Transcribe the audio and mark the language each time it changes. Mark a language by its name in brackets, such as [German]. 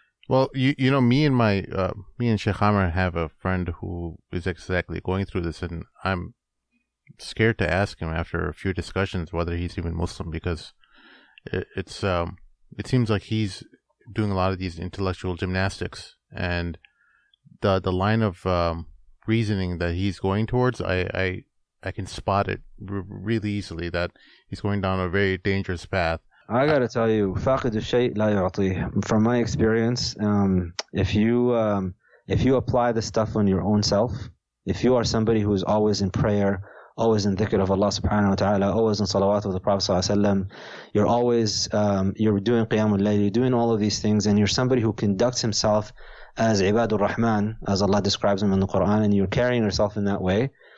[English] Well, you know, me and my me and Sheikh Amr have a friend who is exactly going through this, and I'm scared to ask him after a few discussions whether he's even Muslim, because it seems like he's doing a lot of these intellectual gymnastics, and the line of reasoning that he's going towards, I can spot it really easily that he's going down a very dangerous path. I gotta tell you, [Arabic] فاقد الشيء لا يعطي. [English] From my experience, if you apply this stuff on your own self, if you are somebody who is always in prayer, always in dhikr of Allah subhanahu wa ta'ala, always in salawat of the Prophet sallallahu alayhi wa sallam, you're always, you're doing qiyam al-layl, you're doing all of these things, and you're somebody who conducts himself as ibadur rahman, as Allah describes him in the Quran, and you're carrying yourself in that way,